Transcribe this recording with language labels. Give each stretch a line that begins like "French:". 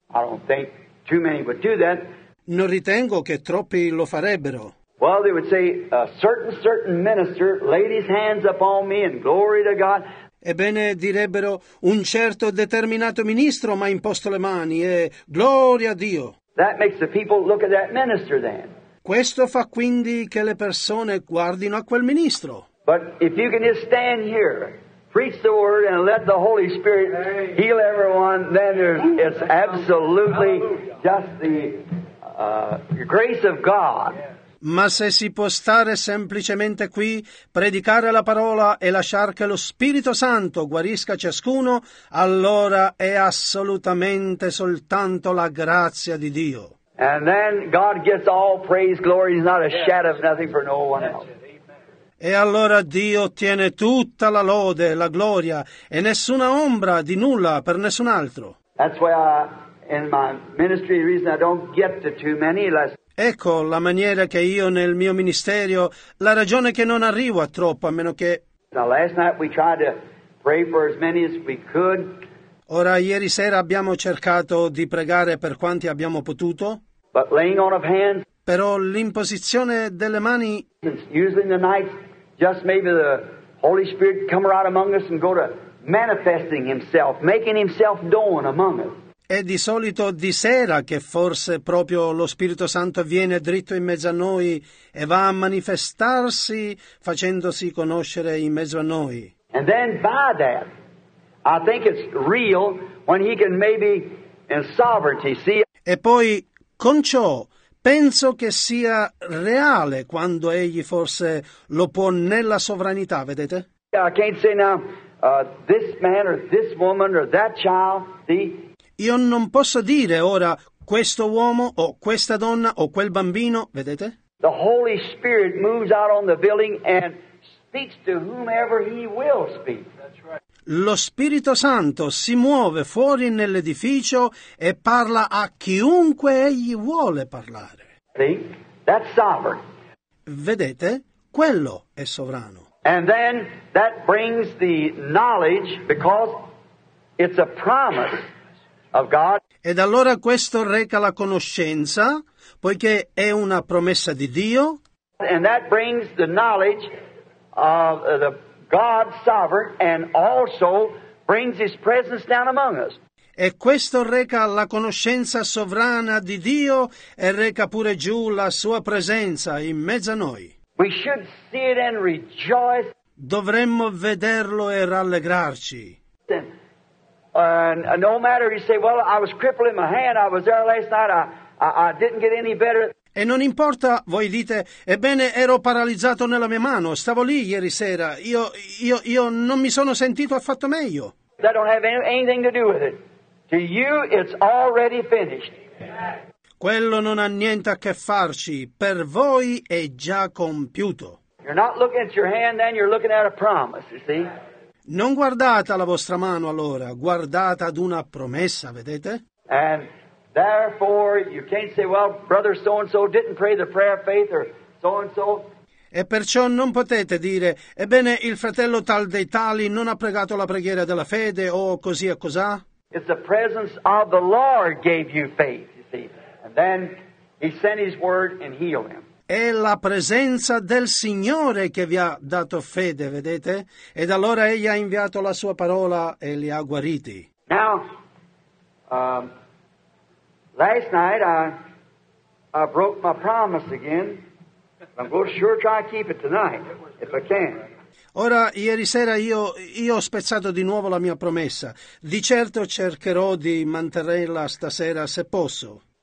English: I don't think too many would do that.
Italian: Non ritengo che troppi lo farebbero.
English: Well, they would say, a certain minister laid his hands upon me and glory to God.
Italian: Ebbene, direbbero, un certo determinato ministro mi ha imposto le mani e gloria a Dio.
English: That makes the people look at that minister then.
Italian: Questo fa quindi che le persone guardino a quel ministro.
English: But if you can just stand here, preach the word and let the Holy Spirit heal everyone, then it's absolutely just the grace of God.
Italian: Ma se si può stare semplicemente qui, predicare la parola e lasciar che lo Spirito Santo guarisca ciascuno, allora è assolutamente soltanto la grazia di Dio.
English: And then God gets all praise, glory, he's not a shadow of nothing for no one else.
Italian: E allora Dio ottiene tutta la lode, la gloria, e nessuna ombra di nulla per nessun altro.
English: That's why in my ministry, the reason I don't get to too many less.
Italian: Ecco la maniera che io nel mio ministero, la ragione che non arrivo a troppo, a meno che...
English: Now last night we tried to pray for as many as we could.
Italian: Ora, ieri sera abbiamo cercato di pregare per quanti abbiamo potuto.
English: But laying on of hands,
Italian: però l'imposizione delle mani...
English: Using the night, just maybe the Holy Spirit come right among us and go to manifesting himself, making himself known among us.
Italian: È di solito di sera che forse proprio lo Spirito Santo viene dritto in mezzo a noi e va a manifestarsi facendosi conoscere in mezzo a noi.
English: And then by that, I think it's real when he can maybe in sovereignty see.
Italian: E poi con ciò penso che sia reale quando egli forse lo può nella sovranità, vedete?
English: I can't say now this man or this woman or that child, see?
Italian: Io non posso dire ora questo uomo o questa donna o quel bambino, vedete?
English: The Holy Spirit moves out on the building and speaks to whomever he will speak.
Italian: Lo Spirito Santo si muove fuori nell'edificio e parla a chiunque egli vuole parlare.
English: See? That's sovereign.
Italian: Vedete? quello è sovrano.
English: And then that brings the knowledge, because it's a promise of God.
Italian: Ed allora questo reca la conoscenza, poiché è una promessa di Dio.
English: And that brings the knowledge of the God sovereign, and also brings his presence down among us.
Italian: E questo reca la conoscenza sovrana di Dio e reca pure giù la sua presenza in mezzo a noi.
English: We should see it and rejoice.
Italian: Dovremmo vederlo e rallegrarci.
English: And no matter you say, well, I was crippled in my hand, I was there last night, I didn't get any better.
Italian: E non importa, voi dite, ebbene ero paralizzato nella mia mano, stavo lì ieri sera, io non mi sono sentito affatto meglio.
English: That don't have anything to do with it. To you it's already finished.
Italian: Quello non ha niente a che farci, per voi è già compiuto.
English: You're not looking at your hand then, you're looking at a promise, you see?
Italian: Non guardate alla vostra mano allora, guardate ad una promessa, vedete?
English: And therefore you can't say, well, brother so and so didn't pray the prayer of faith or so and so.
Italian: E perciò non potete dire, ebbene il fratello tal dei tali non ha pregato la preghiera della fede o così e cosà.
English: It's the presence of the Lord gave you faith, you see. And then he sent his word and healed him.
Italian: È la presenza del Signore che vi ha dato fede, vedete? Ed allora egli ha inviato la sua parola e li ha guariti.
English: Now, last night I broke my promise again. I'm going to sure try to keep it tonight, if I can.
Italian: Ora, ieri sera io ho spezzato di nuovo la mia promessa. Di certo cercherò di mantenerla stasera, se posso.